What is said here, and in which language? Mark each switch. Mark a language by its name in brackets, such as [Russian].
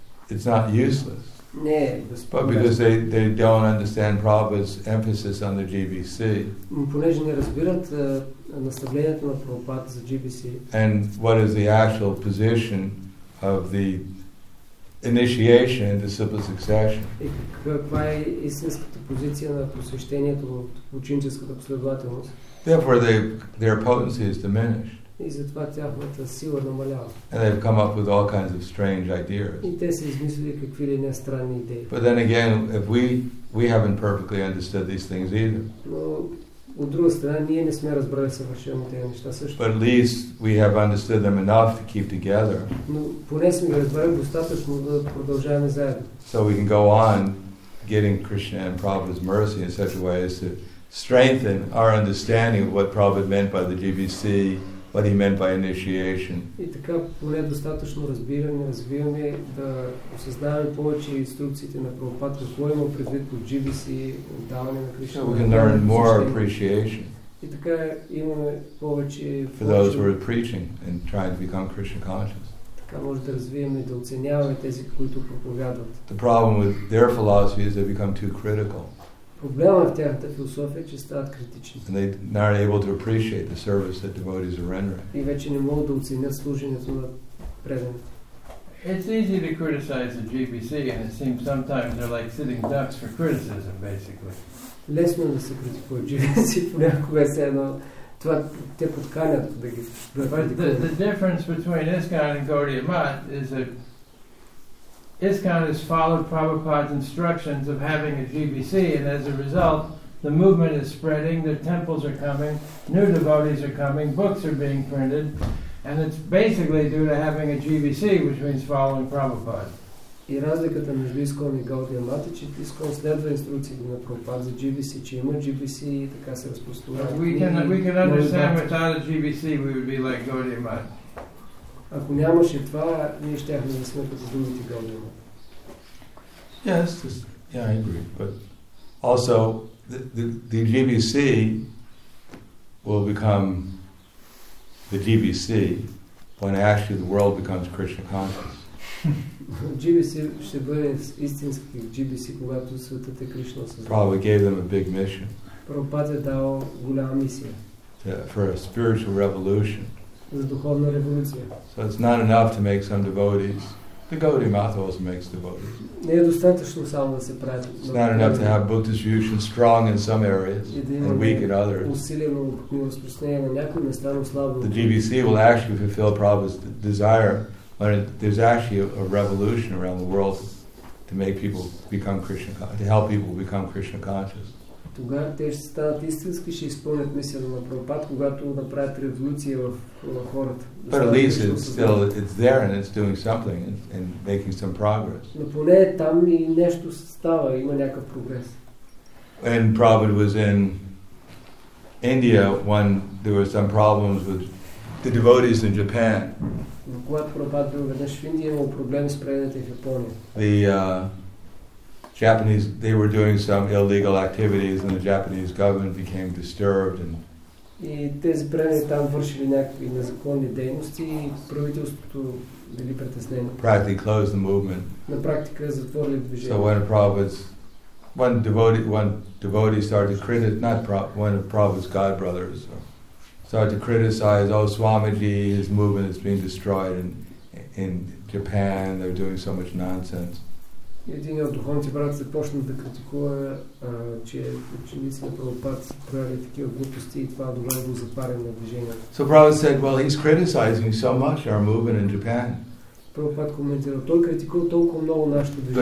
[English] it's not useless. [Bulgarian] Не, [English] but because they don't understand Prabhupada's emphasis on the GBC. [Bulgarian] Понеже не разбират наставлението на Прабхупада за GBC. [English] And what is the actual position of the initiation in the simple succession? [Bulgarian] И каква е истинската позиция на посвещението в ученическата последователност? [English] Therefore, their potency is diminished. [Bulgarian] И затова тяхната сила намалява. [English] And they've come up with all kinds of strange ideas. [Bulgarian] И те са измислили какви ли не странни идеи. [English] But then again, if we haven't perfectly understood these things either. [Bulgarian] Но от друга страна, ние не сме разбрали съвършено тези неща също. [English] But at least we have understood them enough to keep together. [Bulgarian] Но поне сме ги разбрали достатъчно да продължаваме заедно. [English] So we can go on getting Krishna and Prabhupada's mercy in such a way as to strengthen our understanding of what Prabhupada meant by the GBC. What he meant by initiation. [Bulgarian] И така поне достатъчно разбираме, развиваме да осъзнаваме повече инструкциите на Прабхупад, какво има предвид от GBC, отдаване на Кришна. [English] So we can learn more appreciation. [Bulgarian] И така имаме повече [English] for those who are preaching and trying to become Krishna conscious. [Bulgarian] Така може да развиваме да оценяваме тези, които проповядват. [English] The problem with their philosophy is they become too critical. [Bulgarian] Проблема в тяхната философия е, че стават критични. [English] And they not able to appreciate the service that devotees are rendering. [Bulgarian] И вече не могат да оценят служението на преданите. [English] It's easy to criticize the GBC, and it seems sometimes they're like sitting ducks for criticism, basically. [Bulgarian] Лесно да се критикува GBC, понякога е едно. Това те подканят да ги. [English] The difference between ISKCON and Gaudiya Math is that ISKCON has followed Prabhupada's instructions of having a GBC, and as a result, the movement is spreading, the temples are coming, new devotees are coming, books are being printed, and it's basically due to having a GBC, which means following Prabhupada. [Bulgarian] И разликата между ISKCON и Gaudiya Math е, че ISKCON следва инструкциите на Прабхупада за GBC, че има GBC и така се разпространява. [English] We can understand without a GBC, we would be like Gaudiya Math. [Bulgarian] Ако нямаше това, ние щяхме да сме като другите гълдима. [English] Yes, just, yeah, I agree. But also, the GBC will become the GBC when actually the world becomes Krishna conscious. [Bulgarian] GBC ще бъде истински GBC, когато светът е Кришна осъзнат. [English] Prabhupada gave them a big mission. [Bulgarian] Прабхупада е дал голяма мисия. [English] For a spiritual revolution. [Bulgarian] За духовна революция. [English] So it's not enough to make some devotees. The Gaudiya Math also makes devotees. [Bulgarian] Не е достатъчно само да се правят. [English] It's not enough to have book distribution strong in some areas and weak in others. [Bulgarian] Усилено книгово разпространение на някои места, но слабо. [English] The GBC will actually fulfill Prabhupada's desire, but there's actually a revolution around the world to make people become Krishna, to help people become Krishna conscious. [Bulgarian] Тогава те ще станат истински, ще изпълнят мисията на Прабхупад, когато направят революция в хората. [English] But at least it's there and it's doing something and making some progress. [Bulgarian] Но поне там и нещо става, има някакъв прогрес. [English] And Prabhupada was in India when there were some problems with the devotees in Japan. [Bulgarian] Когато Прабхупад бил веднъж в Индия, имало проблеми с преданите в Япония. [English] Japanese, they were doing some illegal activities and the Japanese government became disturbed and [Bulgarian] тези преданици там вършили някакви незаконни дейности и правителството били притеснено. [English] Practically closed the movement. [Bulgarian] На практика затворили движението. [English] So when Prabhupada's one devotee started to criticize, not one of Prabhupada's god brothers, started to criticize, oh Swamiji, his movement is being destroyed in Japan, they're doing so much nonsense. [Bulgarian] Един от духовните брати започна да критикува, че ученици на Прабхупад правили такива глупости и това довело до затваряне на движението. [English] So Prabhupada said, well, he's criticizing so much our movement in Japan. [Bulgarian] Прабхупад коментира, той критикува толкова много нашето движение.